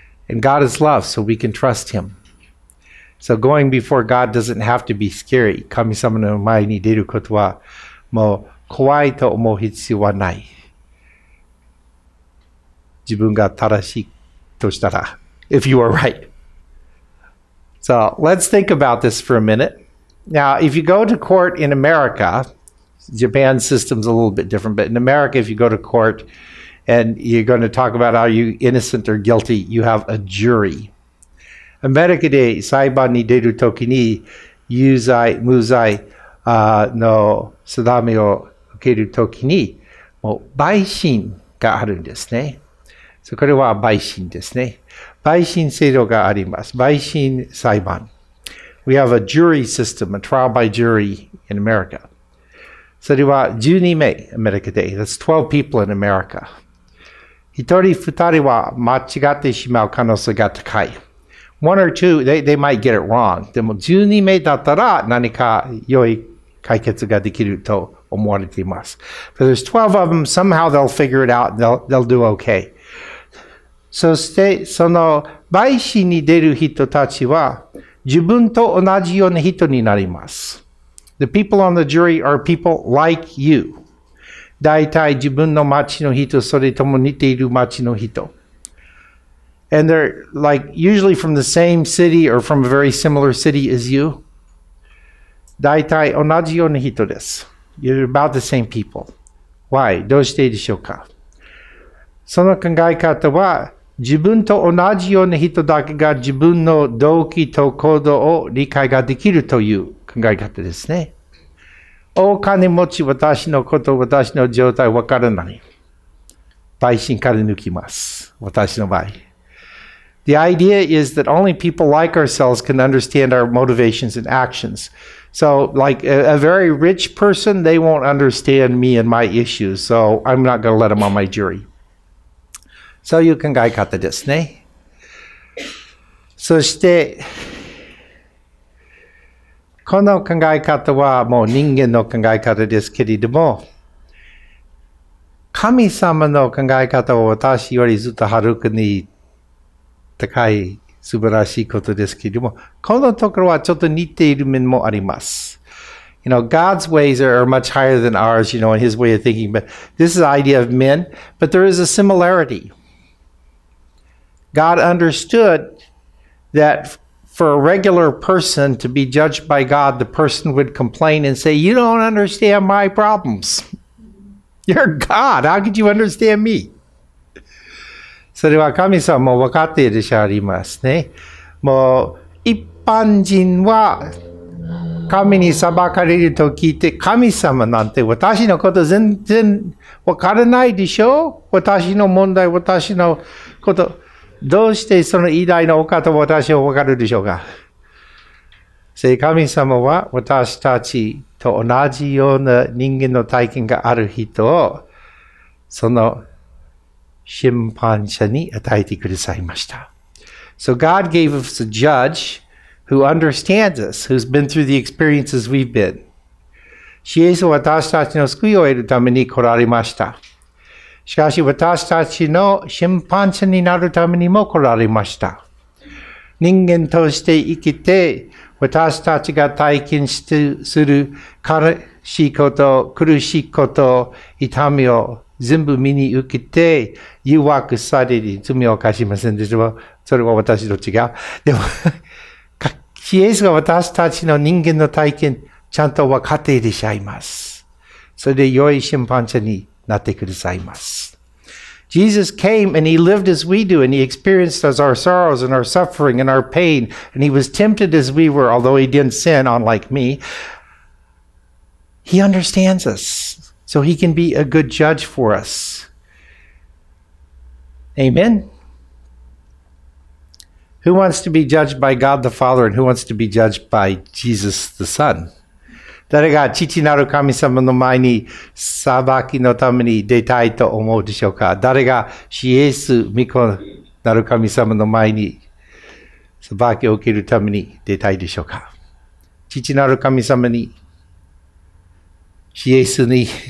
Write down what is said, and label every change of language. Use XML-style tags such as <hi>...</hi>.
<en>And God is love, so we can trust Him. So going before God doesn't have to be scary.</en> <ja>神様の前に出ることはもう怖いと思う必要はない。自分が正しいとしたら、</ja> <en>if you are right. So let's think about this for a minute. Now, if you go to court in America, Japan's system's a little bit different, but in America, if you go to court and you're going to talk about are you innocent or guilty, you have a jury.</en> <ja>アメリカで裁判に出るときに、有罪、無罪の定めを受けるときに、もう陪審があるんですね。 So, これは陪審ですね。陪審制度があります。陪審裁判。</ja> <en>We have a jury system, a trial by jury in America.</en> <ja>それは12名、アメリカで。</ja> <en>That's 12 people in America.</en> <ja>一人、二人は間違ってしまう可能性が高い。</ja> <en>One or two, they might get it wrong.</en> <ja>でも12名だったら何か良い解決ができると思われています。</ja> <en>But there's 12 of them, somehow they'll figure it out and they'll do okay.</en> <ja>そして、その陪審に出る人たちは、自分と同じような人になります。</ja> <en>The people on the jury are people like you.</en> <ja>だいたい自分の町の人、それとも似ている町の人。</ja> <en>And they're like usually from the same city or from a very similar city as you.</en> <ja>だいたい同じような人です。</ja> <en>You're about the same people. Why?</en> <ja>どうしてでしょうか？その考え方は、自分と同じような人だけが自分の動機と行動を理解ができるという考え方ですね。お金持ち、私のこと、私の状態わからない。陪審から抜きます。私の場合。</ja> <en>The idea is that only people like ourselves can understand our motivations and actions. So, like a very rich person, they won't understand me and my issues. So, I'm not going to let them on my jury.</en> <ja>そういう考え方ですね。そして、この考え方はもう人間の考え方ですけれども、神様の考え方は私よりずっとはるかに高い素晴らしいことですけれども、このところはちょっと似ている面もあります。</ja> <en>You know, God's ways are much higher than ours, you know, in His way of thinking, but this is the idea of men, but there is a similarity. God understood that for a regular person to be judged by God, the person would complain and say, you don't understand my problems. You're God. How could you understand me?</en> <ja>それは神様も分かっていらっしゃいますね。もう一般人は神に裁かれると聞いて、神様なんて私のこと全然分からないでしょ？私の問題、私のこと。どうしてその偉大なお方を私は分かるでしょうか。聖神様は私たちと同じような人間の体験がある人をその審判者に与えてくださいました。</ja> <en>So God gave us a judge who understands us, who's been through the experiences we've been.</en> <ja>イエスは私たちの救いを得るために来られました。しかし私たちの審判者になるためにも来られました。人間として生きて私たちが体験する悲しいこと、苦しいこと、痛みを全部身に受けて誘惑される罪を犯しませんでしょう。それは私と違う。でも、イエスが私たちの人間の体験ちゃんと分かっていらっしゃいます。それで良い審判者になってくださいます。</ja> <en>Jesus came and he lived as we do and he experienced as our sorrows and our suffering and our pain and he was tempted as we were, although he didn't sin, unlike me. He understands us, so he can be a good judge for us. Amen. Who wants to be judged by God the Father and who wants to be judged by Jesus the Son?</en> <ja>誰が父なる神様の前に裁きのために出たいと思うでしょうか？誰が主イエス御子なる神様の前に裁きを受けるために出たいでしょうか？父なる神様に、主イエスに。</ja>